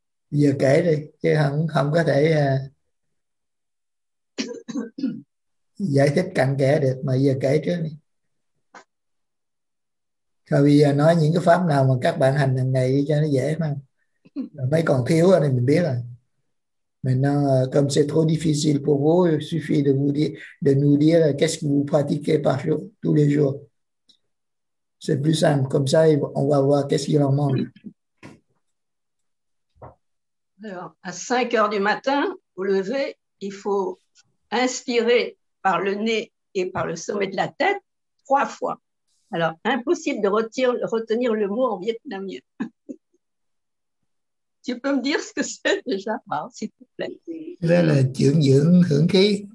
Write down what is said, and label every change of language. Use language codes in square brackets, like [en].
[vi] Giờ kể đi, chứ không có thể giải thích cặn kẽ được, mà giờ kể trước đi. Rồi bây giờ nói những cái pháp nào mà các bạn hành hàng ngày cho nó dễ mà. Mấy còn thiếu rồi thì mình biết rồi. [fr] Maintenant, comme c'est trop difficile pour vous, il suffit de vous dire, de nous dire qu'est-ce que vous pratiquez par jour, tous les jours. C'est plus simple. Comme ça, on va voir qu'est-ce qu'il en manque. Alors, à 5 heures du matin, vous levez, il faut inspirer par le nez et par le sommet de la tête 3 fois. Alors, impossible de retenir le mot en vietnamien. Tu peux me dire ce que c'est déjà, bon, s'il te plaît. [vi] Là là, dưỡng dưỡng hưởng khí.